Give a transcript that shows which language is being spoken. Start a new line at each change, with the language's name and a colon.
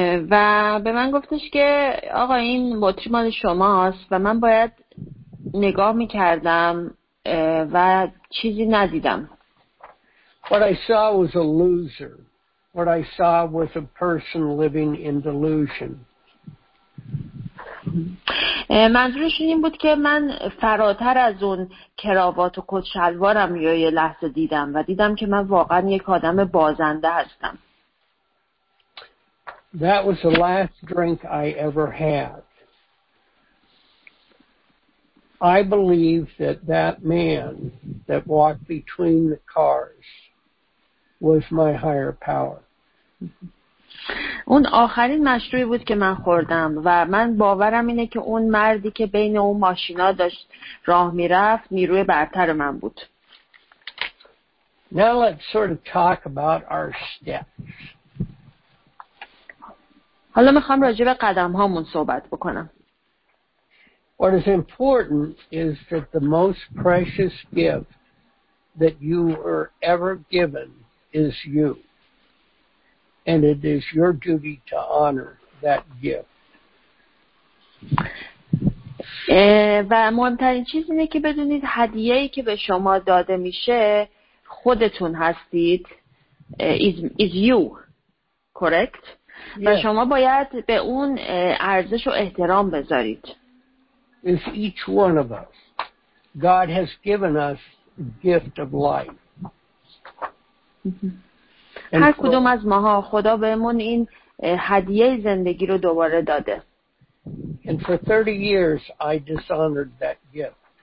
Persian: و به من گفتش که آقا این بطری مال شماست و من باید نگاه می‌کردم و چیزی ندیدم.
English: What I saw was a loser. What I saw was a person living in delusion.
Persian: منظورش این بود که من فراتر از اون کراوات و کت شلوارم یا یه لحظه دیدم و دیدم که من واقعا یک آدم بازنده هستم.
English: That was the last drink I ever had. I believe that that man that walked between the cars was my higher power.
Persian: اون آخرین مشروبی بود که من خوردم و من باورم اینه که اون مردی که بین اون ماشینا داشت راه میرفت نیروی برتر من بود.
English: Now let's sort of talk about our steps.
Persian: حالا میخوام راجع به قدم هامون صحبت بکنم.
English: What is important is that the most precious gift that you were ever given is you. And it is your duty to honor that gift.
Persian: و مهمترین چیز اینه که بدونید هدیه‌ای که به شما داده میشه خودتون هستید.
English: Is you. Correct?
Persian: و شما باید به اون ارزش و احترام بذارید.
English: Is each one of us. God has given us the gift of life.
Persian: هر کدوم از ماها خدا بهمون این هدیه زندگی رو دوباره داده.
English: And for 30 years I dishonored that gift.